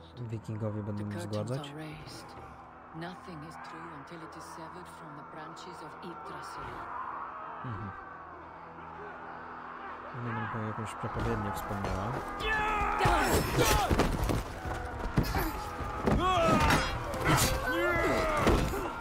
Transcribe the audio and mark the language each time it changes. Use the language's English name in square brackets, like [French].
[Polish] Wikingowie będą mnie zgładzać. [English] Nothing is true until it is severed from the branches of Yggdrasil. Mhm. [Polish] Nie wiem, bo jakąś przepowiednię wspomniała. Nie!